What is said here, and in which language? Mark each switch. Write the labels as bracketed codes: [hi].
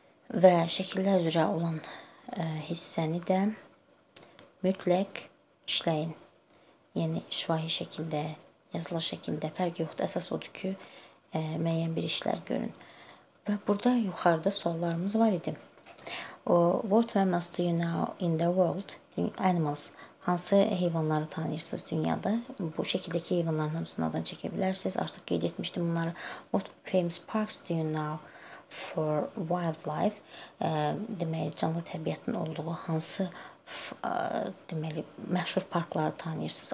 [az] Və şəkillər üzrə olan hissəni də mütləq işləyin. Yəni, şifahi şəkildə, yazılı şəkildə fərq yoxdur. Əsas odur ki, müəyyən bir işlər görün. Və burada yuxarıda suallarımız var idi. [en] What mammals do you know in the world? [az] Animals. Hansı heyvanları tanıyırsınız dünyada? Bu şəkildəki heyvanların hamısını adını çəkə bilərsiniz. Artıq qeyd etmişdim bunları. [en] What famous parks do you know? For wildlife, [az] deməli, canlı təbiətin olduğu hansı deməli, məşhur parkları tanıyırsınız?